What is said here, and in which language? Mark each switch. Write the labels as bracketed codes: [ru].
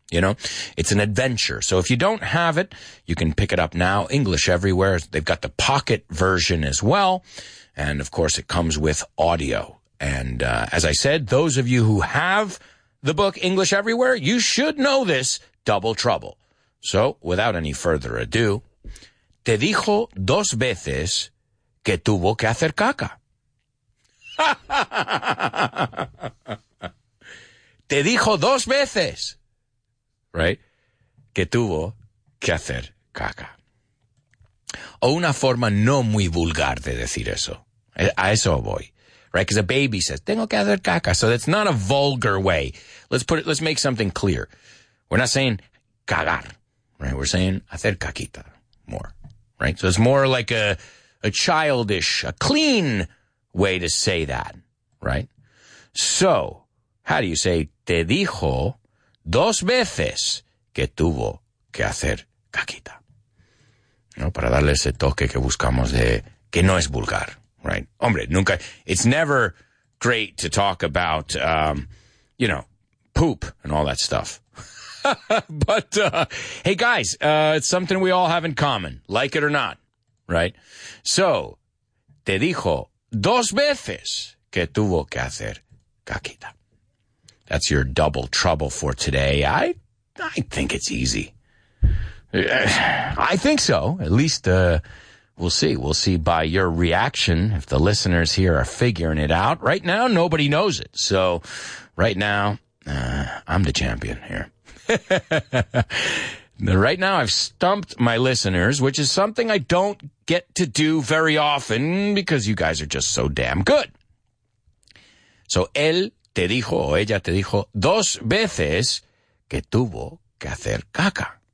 [en] You know, it's an adventure. So if you don't have it, you can pick it up now. English Everywhere. They've got the pocket version as well. And of course, it comes with audio. And as I said, those of you who have the book English Everywhere, you should know this, Double Trouble. So without any further ado, [es] te dijo dos veces que tuvo que hacer caca. Te dijo dos veces, right? Que tuvo que hacer caca. O una forma no muy vulgar de decir eso. A eso voy, [en] right? Because a baby says, [es] tengo que hacer caca. [en] So that's not a vulgar way. Let's make something clear. We're not saying cagar, right? We're saying [es] hacer caquita [en] more, right? So it's more like a childish, a clean way to say that, right? So, how do you say, [es] te dijo dos veces que tuvo que hacer caquita? No, para darle ese toque que buscamos de que no es vulgar, right? Hombre, nunca, [en] it's never great to talk about, you know, poop and all that stuff. But, hey guys, it's something we all have in common, like it or not, right? [es] So, te dijo dos veces que tuvo que hacer caquita. [en] That's your double trouble for today. I think it's easy. I think so. At least we'll see. We'll see by your reaction if the listeners here are figuring it out. Right now, nobody knows it. So right now, I'm the champion here. Right now, I've stumped my listeners, which is something I don't get to do very often because you guys are just so damn good. [es] So, él te dijo, o ella te dijo, dos veces que tuvo que hacer caca.